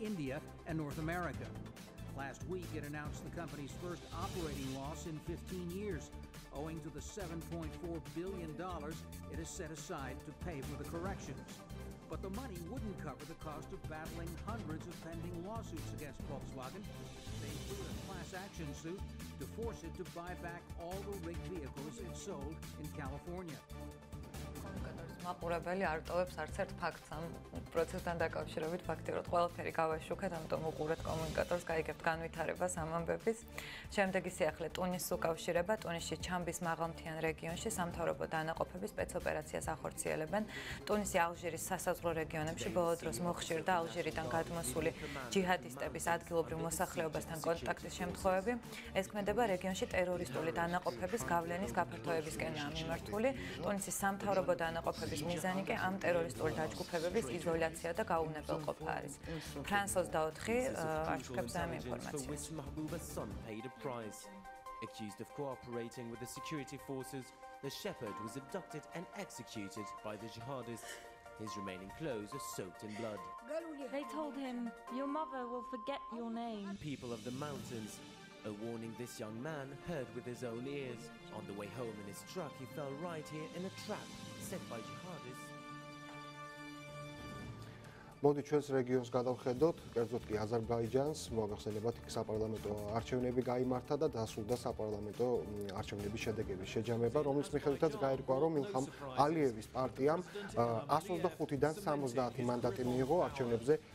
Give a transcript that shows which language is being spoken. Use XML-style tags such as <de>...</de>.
<en>Last week it announced the company's first operating loss in 15 years owing to the $7.4 billion it has set aside to pay for the corrections. But the money wouldn't cover the cost of battling hundreds of pending lawsuits against Volkswagen. They threw a class action suit to force it to buy back all the rigged vehicles it sold in California.</en> <ka>მაყურებელი არ ტოვებს არც ერთ ფაქტს ამ პროცესთან დაკავშირებით. ფაქტიურად ყველაფერი გავაშუქეთ, ამიტომ უყურეთ კომუნიკატორს, გაიგებთ განვითარებას ამ ამბების. შემდეგი სიახლე ტუნისს უკავშირება. ტუნისში ჩამბის მაღალმთიან რეგიონში სამთავრობო დანაყოფების სპეცოპერაციას ახორციელებენ. ტუნისი ალჟირის სასაზღვრო რეგიონებში ბოლო დროს მოხშირდა ალჟირიდან გადმოსული ჯიჰადისტების ადგილობრივ მოსახლეობასთან კონტაქტის შემთხვევები. ეს ქმედება რეგიონში ტერორისტული დანაყოფების გავლენის გაფართოებისკენაა მიმართული. ტუნისის სამთავრობო დანაყოფების მიზანი კი ამ ტერორისტული დაჯგუფებების იზოლაცია და გაუნებელყოფა არის. ფრანს 24 აღწერს ამ ინფორმაციას.</ka> <en>Accused of cooperating with the security forces, the shepherd was abducted and executed by the jihadists. His remaining clothes are soaked in blood. They told him, "Your mother will forget your name." People of the mountains, a warning this young man heard with his own ears. On the way home in his truck, he fell right here in a trap set by jihadists.</en> <ka>მოდი ჩვენს რეგიონს გადავხედოთ, კერძოდ კი აზერბაიჯანს. მოგახსენებათ, იქ საპარლამენტო არჩევნები გაიმართა და დასრულდა საპარლამენტო არჩევნების შედეგების შეჯამება, რომლის მიხედვითაც გაირკვა, რომ ილჰამ ალიევის პარტიამ 125-დან 70 მანდატი მიიღო არჩევნებზე.</ka>